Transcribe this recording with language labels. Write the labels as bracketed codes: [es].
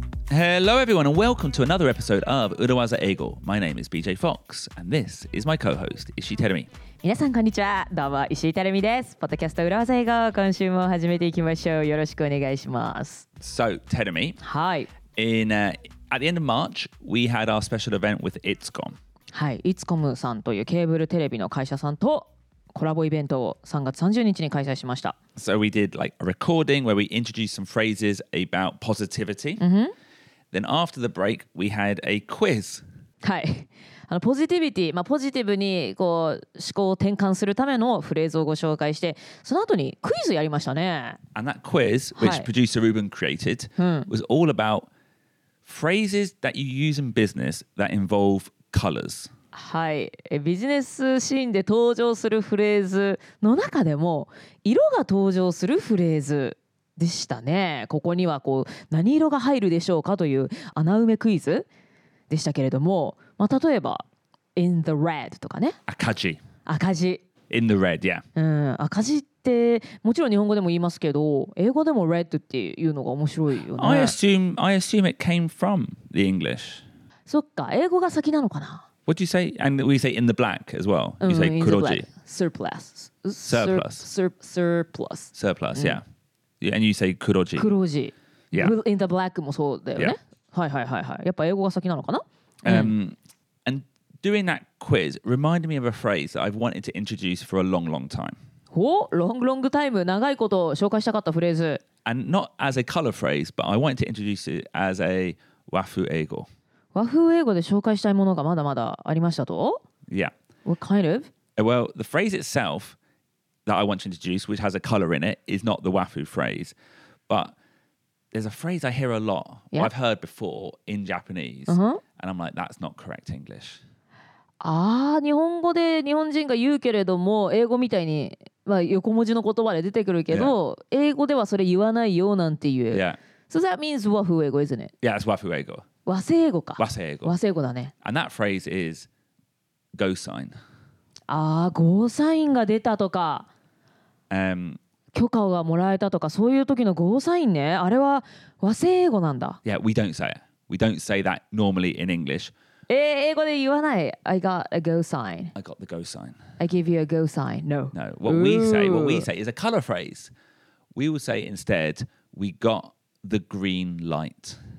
[en] Hello everyone and welcome to another episode of Urawaza Eigo. My name is BJ Fox and this is my co-host Ishii Terumi. [ja] 皆さんこんにちは。どうも Ishii Terumi です。ポッドキャスト Urawaza Eigo 今週も始めていきましょう。よろしくお願いします。 [en] So Terumi, hi. At the end of March, we had our special event with Itscom. [ja] はい、Itscomさんというケーブルテレビの会社さんとコラボイベントを3月30日に開催しました。 [en] So we did like a recording where we introduced some phrases about positivity. Mm-hmm. Then after the break, we had a quiz. [ja] はい。あの、ポジティビティ、まあ、ポジティブにこう思考を転換するためのフレーズをご紹介して、その後にクイズやりましたね。 [en] And that quiz, which、はい、producer Ruben created,、うん、was all about phrases that you use in business that involve colors. [ja] はい。ビジネスシーンで登場するフレーズの中でも、色が登場するフレーズ。でしたね。ここにはこう何色が入るでしょうかという穴埋めクイズでしたけれども、まあ、例えば [en] in the red [ja] とかね。赤字。赤字。 [en] in the red、yeah. [ja] うん、赤字ってもちろん日本語でも言いますけど、英語でも red っていうのが面白いよね。 [en] I assume it came from the English。 [ja] そっか、英語が先なのかな。 [en] What do you say? And we say in the black as well. You say 黒字。Surplus. Surplus, yeah.、うんYeah, and you say 黒字。 [ja] 黒字。 [en] Yeah. In the black [ja] もそうだよね。 [en] Yeah. [ja] はいはいはいはい。やっぱ英語が先なのかな。 [en] And doing that quiz reminded me of a phrase that I've wanted to introduce for a long, long time. Long, long time. [ja] 長いこと紹介したかったフレーズ。 [en] And not as a color phrase, but I wanted to introduce it as a 和風英語。 [ja] 和風英語で紹介したいものがまだまだありましたと。 [en] Yeah. What kind of? Well, the phrase itself. That I want to introduce, which has a color in it, is not the wafu phrase. But there's a phrase I hear a lot, yeah. I've heard before in Japanese,、 uh-huh. and I'm like, that's not correct English. [ja] Ah, 日本語で日本人が言うけれども、英語みたいに、まあ、横文字の言葉で出てくるけど、 [en] yeah. [ja] 英語ではそれ言わないよなんていう。 [en] Yeah. So that means wafu 英語, isn't it? Yeah, it's wafu 英語. [ja] 和製英語か。和製英語。和製英語だね。 [en] And that phrase is go sign. [ja] Ah, go sign が出たとか。許可がもらえたとかそういう時のゴーサインね、あれは和製英語なんだ。 [en] Yeah, we don't say it. We don't say that normally in English. [ja] 英語で言わない。 [en] I got a go sign. I got the go sign. I give you a go sign. No. No. What we say is a color phrase. We will say instead, we got the green light.